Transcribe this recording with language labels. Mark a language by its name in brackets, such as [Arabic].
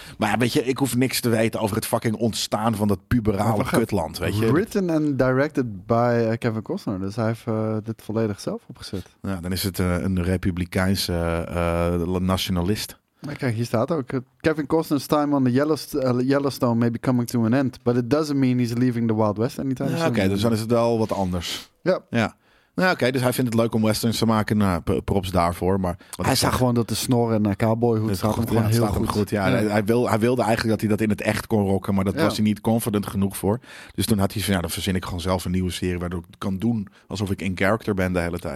[Dutch] Maar ja, weet je, ik hoef niks te weten over het fucking ontstaan van dat puberale kutland, weet je. [English] Written and directed by Kevin Costner, [Dutch] dus hij heeft dit volledig zelf opgezet. Ja, dan is het een republikeinse nationalist. Kijk, hier staat ook. [English] Kevin Costner's time on the Yellowstone may be coming to an end. But it doesn't mean he's leaving the Wild West anytime soon. [Dutch] Ja, oké, dus dan is het wel wat anders. Ja. Ja. Nou, oké, dus hij vindt het leuk om westerns te maken. Nou, props daarvoor. Maar hij zag gewoon dat de snor en cowboyhoed staat hem gewoon heel goed. Ja, hij wilde eigenlijk dat hij dat in het echt kon rocken. Maar dat was hij niet confident genoeg voor. Dus toen had hij van, ja, dan verzin ik gewoon zelf een nieuwe serie. Waardoor ik het kan doen alsof ik in character ben de hele tijd.